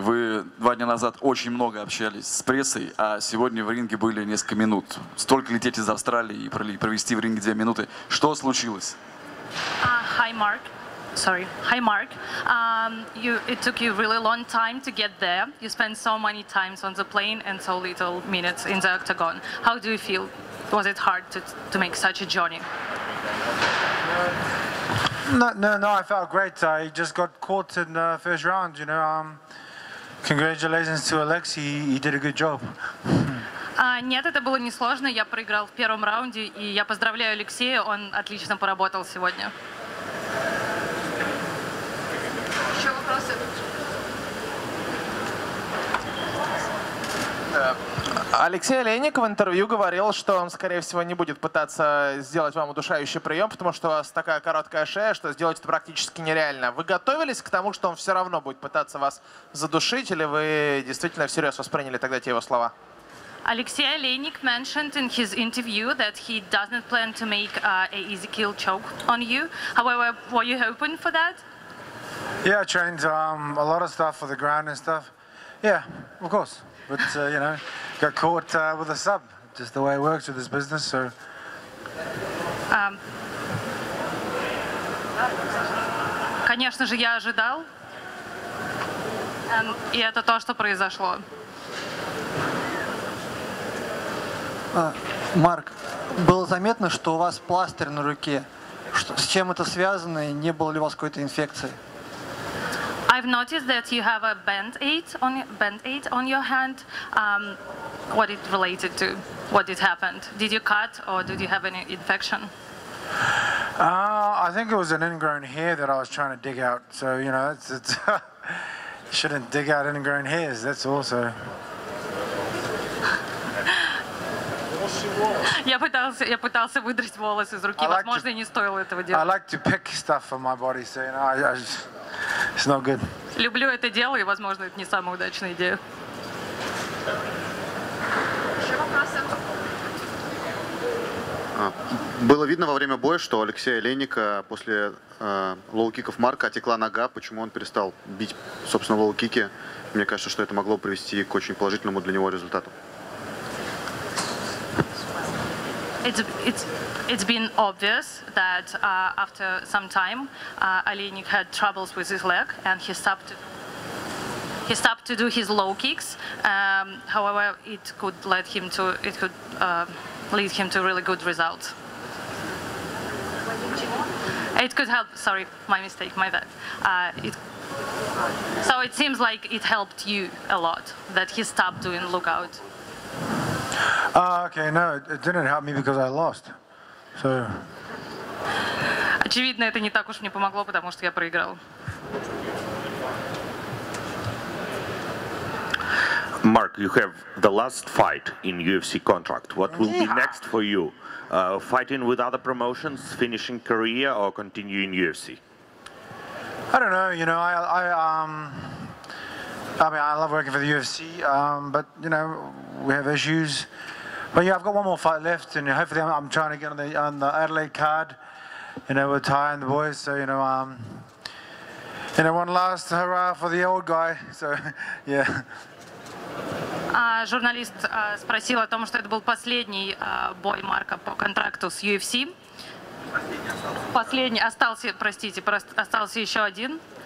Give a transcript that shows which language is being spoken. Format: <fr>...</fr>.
<ru>Вы 2 дня назад очень много общались с прессой, а сегодня в ринге были несколько минут. Столько лететь из Австралии и провести в ринге 2 минуты. Что случилось?</ru> <en>Hi, Mark. It took you really long time to get there. You spent so many times on the plane and so little minutes in the octagon. How do you feel? Was it hard to make such a journey? No, I felt great. I just got caught in the first round, you know. Congratulations to Alexei, he did a good job.</en> <ru>Нет, это было несложно. Я проиграл в первом раунде, и я поздравляю Алексея, он отлично поработал сегодня. Еще вопросы? Алексей Олейник в интервью говорил, что он, скорее всего, не будет пытаться сделать вам удушающий прием, потому что у вас такая короткая шея, что сделать это практически нереально. Вы готовились к тому, что он все равно будет пытаться вас задушить, или вы действительно всерьез восприняли тогда те его слова?</ru> <en>Алексей Олейник mentioned in his interview that he doesn't plan to make an easy kill choke on you. However, were you hoping for that? Yeah, I trained a lot of stuff for the ground and stuff. Yeah, of course. But, you know, got caught with a sub, just the way it works with this business, so...</en> <ru>Конечно же, я ожидал. И это то, что произошло. Марк, было заметно, что у вас пластырь на руке. Что, с чем это связано и не было ли у вас какой-то инфекции?</ru> <en>I've noticed that you have a band-aid on your hand. What it related to? What did happen? Did you cut or did you have any infection? I think it was an ingrown hair that I was trying to dig out. So, you know, it's shouldn't dig out ingrown hairs, that's also.</en> <ru>Я пытался выдрать волосы из руки. Возможно, не стоило этого делать.</ru> <en>I like to pick stuff from my body, so you know, it's not good.</en> <ru>Люблю это дело, и, возможно, это не самая удачная идея. Было видно во время боя, что Алексея Олейника после лоу-киков Марка отекла нога. Почему он перестал бить, собственно, лоу-кики? Мне кажется, что это могло привести к очень положительному для него результату.</ru> <en>It's been obvious that after some time, Olejnik had troubles with his leg and he stopped to do his low kicks. However, it could lead him to really good results. It could help. Sorry, my mistake. My bad. So it seems like it helped you a lot that he stopped doing lookout. Okay, no, it didn't help me because I lost. So.</en> <ru>Очевидно, это не так уж мне помогло, потому что я проиграл.</ru> <en>Mark, you have the last fight in UFC contract. What will be next for you? Fighting with other promotions, finishing career, or continuing UFC? I don't know. You know, I love working for the UFC, but you know, we have issues. But yeah, I've got one more fight left, and hopefully I'm trying to get on the Adelaide card, you know, with Ty and the boys. So, you know, one last hurrah for the old guy. So, yeah.</en> <ru>Журналист спросил о том, что это был последний бой Марка по контракту с UFC. Последний остался, простите, остался еще один.</ru>